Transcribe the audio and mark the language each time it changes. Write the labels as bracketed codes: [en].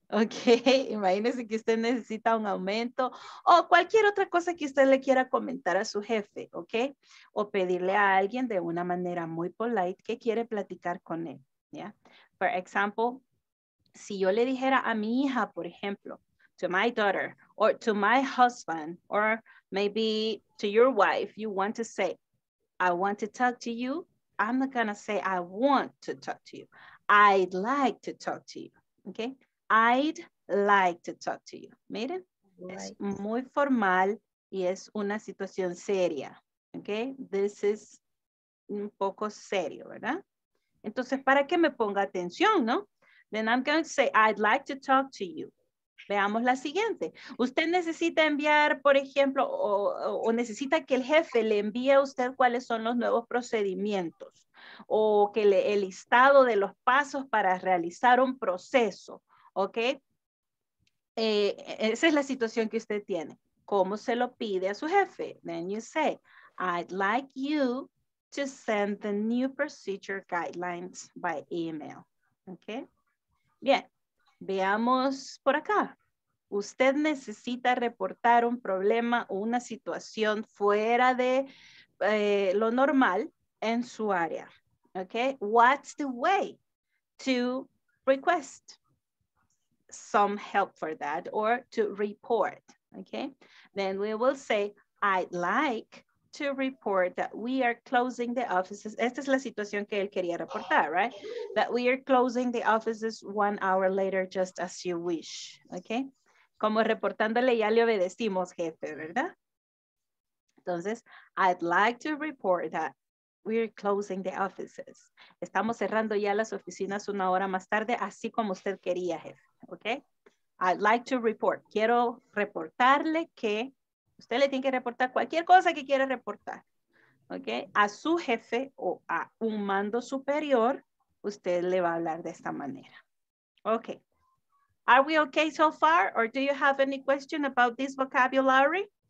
[es] Ok, imagínese que usted necesita un aumento o cualquier otra cosa que usted le quiera comentar a su jefe, ok, o pedirle a alguien de una manera muy polite que quiere platicar con él, ya. [en] Yeah? For example, [es] si yo le dijera a mi hija, por ejemplo, [en] to my daughter, or to my husband, or maybe to your wife, you want to say, I want to talk to you, I'm not gonna say, I want to talk to you, I'd like to talk to you, ok. I'd like to talk to you. [es] Miren, es muy formal y es una situación seria. [en] Okay, this is [es] un poco serio, ¿verdad? Entonces, para que me ponga atención, ¿no? [en] Then I'm going to say, I'd like to talk to you. [es] Veamos la siguiente. Usted necesita enviar, por ejemplo, o necesita que el jefe le envíe a usted cuáles son los nuevos procedimientos o que el listado de los pasos para realizar un proceso. Ok, esa es la situación que usted tiene. ¿Cómo se lo pide a su jefe? [en] Then you say, I'd like you to send the new procedure guidelines by email. Ok, [es] bien, veamos por acá. usted necesita reportar un problema o una situación fuera de lo normal en su área. [en] Okay, what's the way to request some help for that or to report? Okay, then we will say, I'd like to report that we are closing the offices. [es] Esta es la situación que él quería reportar, right? [en] That we are closing the offices 1 hour later, just as you wish. [es] Okay, como reportándole ya le obedecimos, jefe, ¿verdad? [en] Entonces, I'd like to report that we're closing the offices. [es] Estamos cerrando ya las oficinas 1 hora más tarde, así como usted quería, jefe. [en] Okay? I'd like to report. [es] Quiero reportarle que usted le tiene que reportar cualquier cosa que quiera reportar. Okay? A su jefe o a un mando superior, usted le va a hablar de esta manera. [en] Okay. Are we okay so far? Or do you have any question about this vocabulary?